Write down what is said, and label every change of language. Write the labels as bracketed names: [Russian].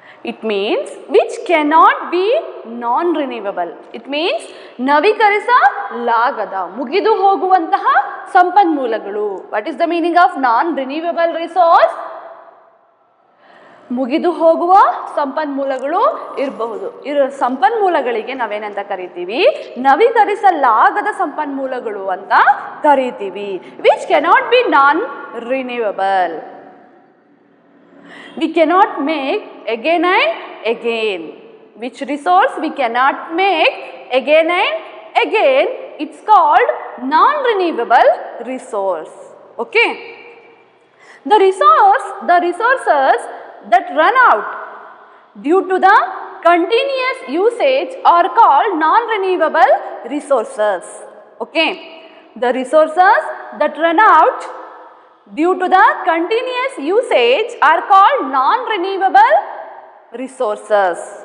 [English] It means which cannot be non-renewable. It means [Kannada] navikarisa lagada mugidu hoguvantaha sampanmoolagalu. [English] What is the meaning of non-renewable resource? [Kannada] ಮುಗಿದು ಹೋಗುವ ಸಂಪನ್ಮೂಲಗಳು ಇರಬಹುದು. ಇರೋ ಸಂಪನ್ಮೂಲಗಳಿಗೆ ನಾವೇನಂತ ಕರಿತೀವಿ, ನವೀಕರಿಸಲಾಗದ ಸಂಪನ್ಮೂಲಗಳು ಅಂತ ಕರಿತೀವಿ. [English] Which cannot be non renewable, we cannot make again and again. Which resource we cannot make again and again, it's called non renewable resource. Okay, the resources that run out due to the continuous usage are called non-renewable resources. Okay, the resources that run out due to the continuous usage are called non-renewable resources.